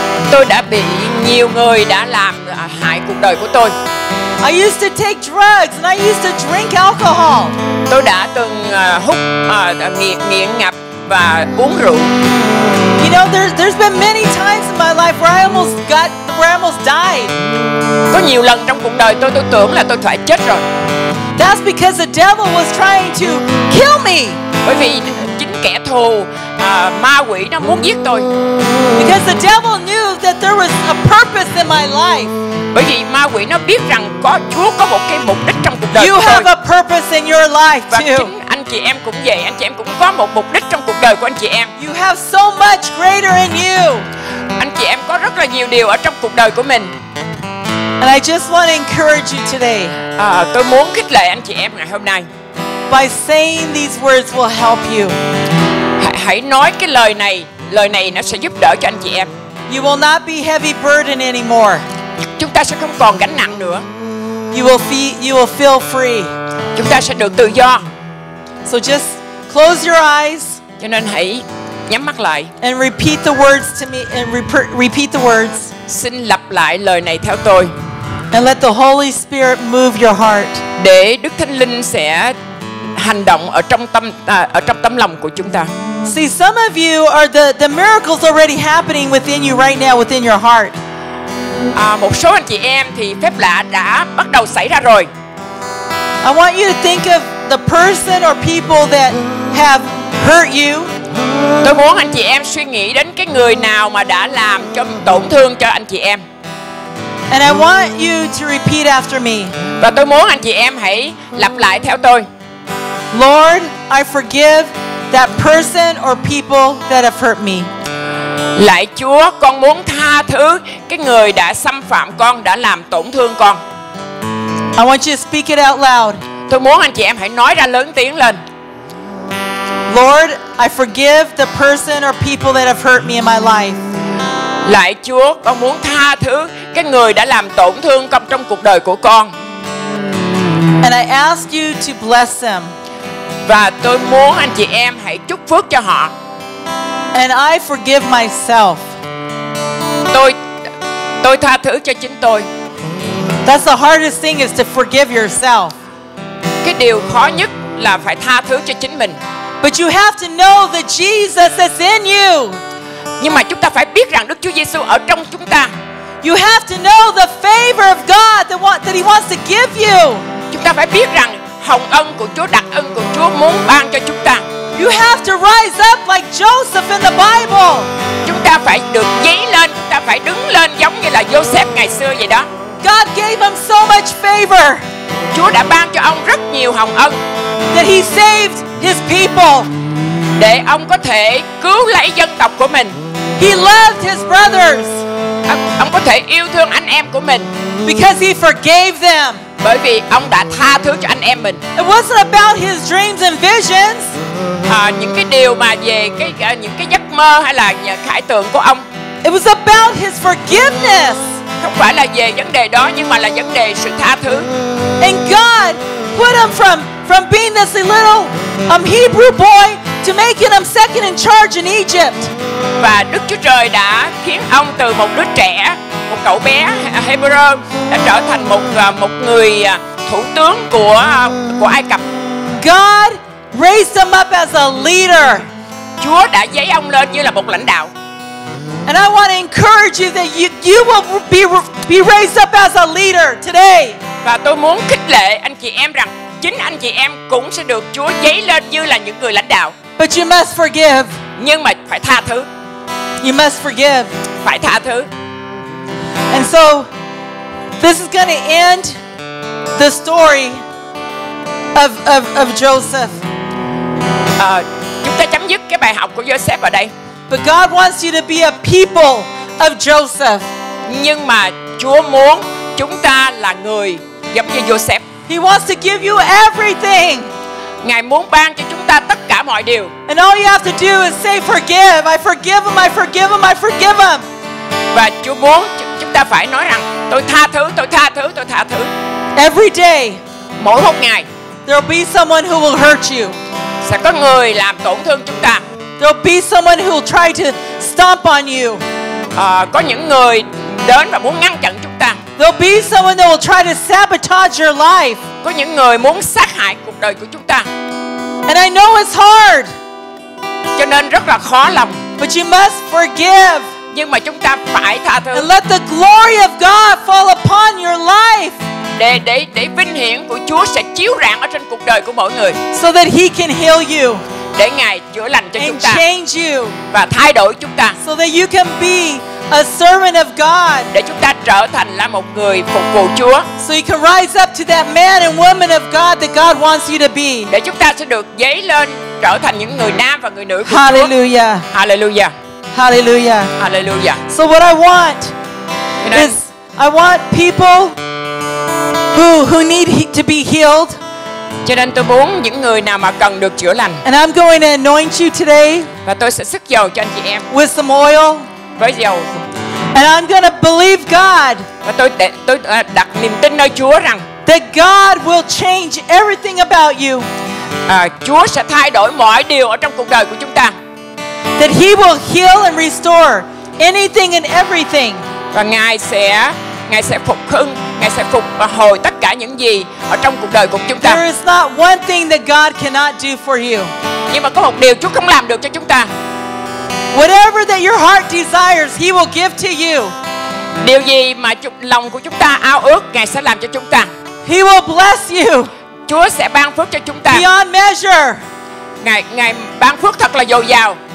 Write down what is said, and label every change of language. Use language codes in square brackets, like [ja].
[vi] Tôi đã bị nhiều người đã làm hại cuộc đời của tôi. [en] I used to take drugs and I used to drink alcohol. [vi] Tôi đã từng hút nghiện ngập và uống rượu. [en] You know, there's been many times in my life where I almost died. [vi] Có nhiều lần trong cuộc đời tôi tưởng là tôi phải chết rồi. [en] That's because the devil was trying to kill me. [vi] Bởi vì chính kẻ thù ma quỷ nó muốn giết tôi. [en] Because the devil knew that there was a purpose in my life. [vi] Bởi vì ma quỷ nó biết rằng có Chúa có một cái mục đích trong cuộc đời [en] you [vi] của tôi. [en] Have a purpose in your life [vi] và chính anh chị em cũng vậy, anh chị em cũng có một mục đích trong cuộc đời của anh chị em. [en] You have so much greater in you. [vi] Anh chị em có rất là nhiều điều ở trong cuộc đời của mình. [en] And I just want to encourage you today. [vi] Tôi muốn khích lệ anh chị em ngày hôm nay. [en] By saying these words will help you. [vi] Hãy nói cái lời này nó sẽ giúp đỡ cho anh chị em. [en] You will not be heavy burden anymore. [vi] Chúng ta sẽ không còn gánh nặng nữa. [en] You will feel free. [vi] Chúng ta sẽ được tự do. [en] So just close your eyes. [vi] Cho nên hãy nhắm mắt lại. [en] And repeat the words to me and repeat the words. [vi] Xin lặp lại lời này theo tôi. [en] And let the Holy Spirit move your heart. [vi] Để Đức Thánh Linh sẽ hành động ở trong tâm lòng của chúng ta. [en] See, some of you are the miracles already happening within you right now within your heart. [vi] Một số anh chị em thì phép lạ đã bắt đầu xảy ra rồi. [en] I want you to think of the person or people that have hurt you. [vi] Tôi muốn anh chị em suy nghĩ đến cái người nào mà đã làm cho tổn thương cho anh chị em. [en] And I want you to repeat after me. [vi] Và tôi muốn anh chị em hãy lặp lại theo tôi. [en] Lord, I forgive that person or people that have hurt me. [vi] Lạy Chúa, con muốn tha thứ cái người đã xâm phạm con, đã làm tổn thương con. [en] I want you to speak it out loud. [vi] Tôi muốn anh chị em hãy nói ra lớn tiếng lên. [en] Lord, I forgive the person or people that have hurt me in my life. [vi] Lạy Chúa, con muốn tha thứ cái người đã làm tổn thương con trong cuộc đời của con. [en] And I ask you to bless them. [vi] Và tôi muốn anh chị em hãy chúc phước cho họ. [en] And I forgive myself. [vi] Tôi tha thứ cho chính tôi. [en] That's the hardest thing is to forgive yourself. [vi] Cái điều khó nhất là phải tha thứ cho chính mình. [en] But you have to know that Jesus is in you. [vi] Nhưng mà chúng ta phải biết rằng Đức Chúa Giêsu ở trong chúng ta. [en] You have to know the favor of God that He wants to give you. [vi] Chúng ta phải biết rằng hồng ân của Chúa, đặc ân của Chúa muốn ban cho chúng ta. [en] You have to rise up like Joseph in the Bible. [vi] Chúng ta phải được dấy lên, chúng ta phải đứng lên giống như là Joseph ngày xưa vậy đó. [en] God gave him so much favor. [vi] Chúa đã ban cho ông rất nhiều hồng ân. [en] That he saved his people. [vi] Để ông có thể cứu lấy dân tộc của mình. [en] He loved his brothers. [vi] Ông có thể yêu thương anh em của mình. [en] Because he forgave them. [vi] Bởi vì ông đã tha thứ cho anh em mình. [en] It wasn't about his dreams and visions. [vi] Những cái điều mà về cái những cái giấc mơ hay là những khải tượng của ông. [en] It was about his forgiveness. [vi] Không phải là về vấn đề đó nhưng mà là vấn đề sự tha thứ. [en] And God put him from being this little Hebrew boy to making him second in charge in Egypt. [vi] Và Đức Chúa Trời đã khiến ông từ một đứa trẻ, một cậu bé Hebrew, đã trở thành một người thủ tướng của Ai Cập. [en] God raised him up as a leader. [vi] Chúa đã dấy ông lên như là một lãnh đạo. [en] And I want to encourage you that you will be raised up as a leader today. [vi] Và tôi muốn khích lệ anh chị em rằng chính anh chị em cũng sẽ được Chúa dấy lên như là những người lãnh đạo. [en] But you must forgive. [vi] Nhưng mà phải tha thứ. [en] You must forgive. [vi] Phải tha thứ. [en] And so this is going to end the story of Joseph. [vi] Chúng ta chấm dứt cái bài học của Joseph ở đây. [en] But God wants you to be a people of Joseph. [vi] Nhưng mà Chúa muốn chúng ta là người giống như Joseph. [en] He wants to give you everything. [vi] Ngài muốn ban cho chúng ta tất cả mọi điều. [en] And all you have to do is say forgive. I forgive him, I forgive him, I forgive him. [vi] Và Chúa muốn chúng ta phải nói rằng tôi tha thứ, tôi tha thứ, tôi tha thứ. [en] Every day. [vi] Mỗi một ngày. [en] There'll be someone who will hurt you. [vi] Sẽ có người làm tổn thương chúng ta. [en] There'll be someone who'll try to stomp on you. [vi] Có những người đến và muốn ngăn chặn chúng ta. [en] There'll be someone that will try to sabotage your life. [vi] Có những người muốn sát hại cuộc đời của chúng ta. [en] And I know it's hard. [vi] Cho nên rất là khó lòng. [en] But you must forgive. [vi] Nhưng mà chúng ta phải tha thứ. [en] And let the glory of God fall upon your life. [vi] Để vinh hiển của Chúa sẽ chiếu rạng ở trên cuộc đời của mỗi người. [en] So that He can heal you. [vi] Để Ngài chữa lành cho chúng ta. [en] And change you. [vi] Và thay đổi chúng ta. [en] So that you can be a servant of God. [vi] Để chúng ta trở thành là một người phục vụ Chúa. [en] So you can rise up to that man and woman of God that God wants you to be. [vi] Để chúng ta sẽ được dấy lên trở thành những người nam và người nữ của Chúa. [en] Hallelujah. Hallelujah. Hallelujah. Hallelujah. So what I want is I want people who need to be healed. [vi] Cho nên tôi muốn những người nào mà cần được chữa lành. [en] And I'm going to anoint you today. [vi] Và tôi sẽ sức dầu cho anh chị em. [en] With some oil. [vi] Với dầu. [en] And I'm going to believe God. [vi] Và tôi đặt niềm tin nơi Chúa rằng [en] that God will change everything about you. [vi] Chúa sẽ thay đổi mọi điều ở trong cuộc đời của chúng ta. [en] That He will heal and restore anything and everything. [vi] Và Ngài sẽ phục hồi tất cả những gì ở trong cuộc đời của chúng ta. [en] There is not one thing that God cannot do for you. [vi] Nhưng mà có một điều Chúa không làm được cho chúng ta. [en] Whatever that your heart desires, He will give to you. [vi] Điều gì mà lòng của chúng ta ao ước, Ngài sẽ làm cho chúng ta. [en] He will bless you. [vi] Chúa sẽ ban phước cho chúng ta. [en] Beyond measure. [vi] Ngài ban phước thật là dồi dào.